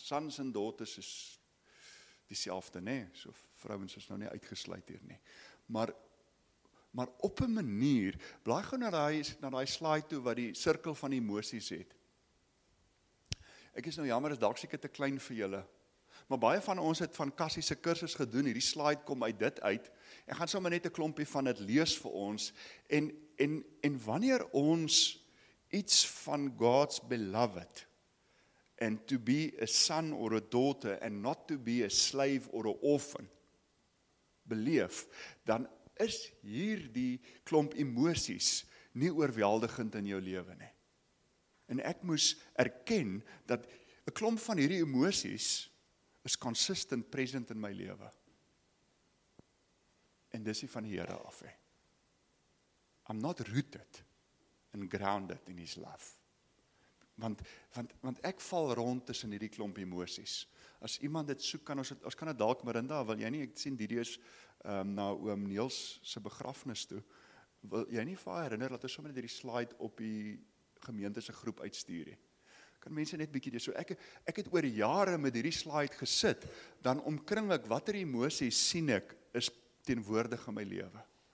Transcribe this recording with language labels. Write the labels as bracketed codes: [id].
[af] Sons en daughters is dieselfde nie, so vrouwens is nou nie uitgesluit hier nie. Maar op 'n manier, blaai gou na die slide toe wat die sirkel van emosies het. Ek is nou jammer, is dalk seker te klein vir julle. Maar baie van ons het van Cassie se kursus gedoen, hierdie slide kom uit dit uit. Ek gaan sommer net 'n klompie van dit lees vir ons. En wanneer ons iets van [en] God's beloved, and to be a son or a daughter, and not to be a slave or a orphan, [af] beleef, dan is hier die klomp emosies nie oorweldigend in jou lewe nie. En ek moes erken dat 'n klomp van hierdie emosies is [en] consistent present [af] in my lewe. En dis die van die Here af. [en] I'm not rooted and grounded in his love. [af] Want ek val rond tussen hierdie klomp emosies. As iemand dit soek, kan ons kan dit dalk, Marinda, wil jy nie, ek sien Didi is na oom Niels se begrafnis toe, wil jy nie vir herinner, dat ons sommer net hierdie slide op die gemeente se groep uitstuur nie. Kan mense net bietjie, so ek het oor jare met hierdie slide gesit, dan omkring ek, watter emosies sien ek, is teenwoordig in my lewe.